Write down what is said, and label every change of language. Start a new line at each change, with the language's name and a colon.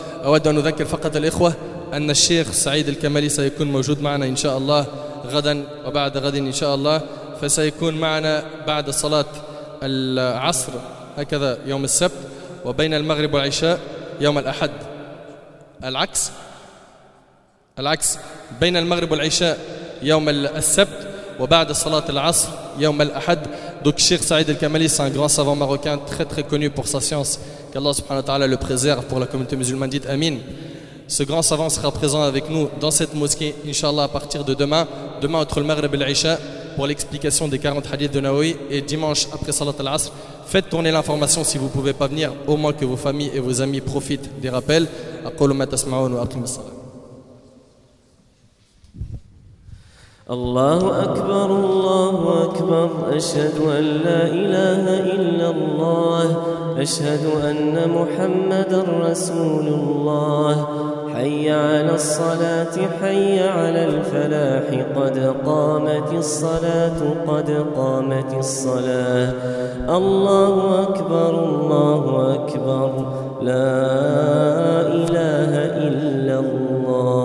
Arabic: أود أن أذكر فقط الإخوة أن الشيخ سعيد الكمالي سيكون موجود معنا إن شاء الله غدا وبعد غد إن شاء الله، فسيكون معنا بعد صلاة العصر هكذا يوم السبت وبين المغرب والعشاء يوم الأحد، العكس بين المغرب والعشاء يوم السبت وبعد صلاة العصر يوم الأحد.
French: Donc Cheikh Saïd El-Kamali, c'est un grand savant marocain très très connu pour sa science. Qu'Allah
Arabic: subhanahu wa ta'ala
French: le préserve pour la communauté musulmane, dites Amin. Ce grand savant sera présent avec nous dans cette mosquée, Inch'Allah, à partir de demain. Demain entre le Maghreb et l'Isha pour l'explication des 40 hadiths de Nawawi. Et dimanche après Salat al-Asr, faites tourner l'information si vous ne pouvez pas venir. Au moins que vos familles et vos amis profitent des rappels.
Arabic: Aqulu ma tasma'un wa aqim as-salat. الله أكبر الله أكبر أشهد أن لا إله إلا الله أشهد أن محمد رسول الله حي على الصلاة حي على الفلاح قد قامت الصلاة قد قامت الصلاة الله أكبر الله أكبر لا إله إلا الله